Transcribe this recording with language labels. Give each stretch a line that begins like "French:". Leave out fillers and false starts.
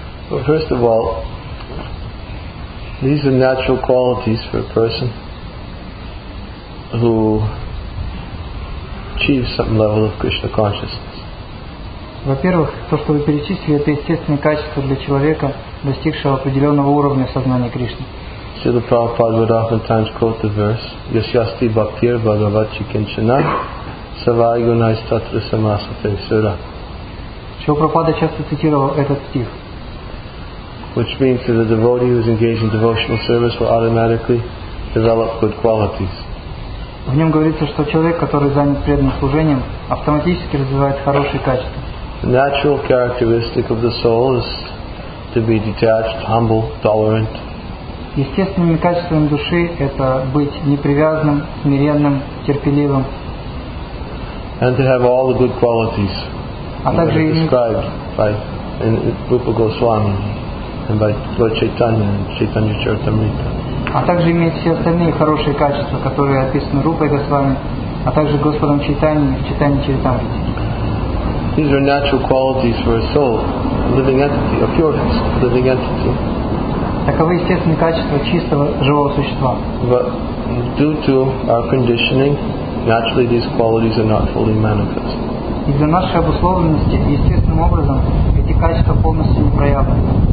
English: Well, first of all, these are natural qualities for a person who achieves some level of Krishna consciousness.
Russian: Во-первых, то, что вы перечислили, это естественные качества для человека, достигшего определенного уровня сознания Кришны.
Sanskrit: Srila Prabhupada
English: would oftentimes quote the verse,
Sanskrit: Yasyasti Bhaktir Bhagavachi Kinchana Savayunai Statra Samasate Sura.
Russian: Srila Prabhupada часто цитировал этот стих.
English: Which means that a devotee who is engaged in devotional service will automatically develop good qualities.
Russian: В нем говорится, что человек, который занят преданным служением, автоматически развивает хорошие качества.
English: The natural characteristic of the soul is to be detached, humble, tolerant.
Russian: Естественными качествами души это быть непривязанным, смиренным, терпеливым.
English: And to have all the good qualities.
Russian: А также
English: described by Rupa Goswami and by Lord Chaitanya and Chaitanya Charitamrita.
Russian: А также иметь все остальные хорошие качества, которые описаны Рупой Госвами, а также Господом Чайтаньей в Чайтанье Чаритамрите.
English: These are natural qualities for a soul, a living entity, a pure living entity.
Russian: Таковы естественные качества чистого живого существа.
English: But due to our conditioning, naturally these qualities are not fully manifest.
Russian: Из-за нашей обусловленности естественным образом эти качества полностью не проявлены.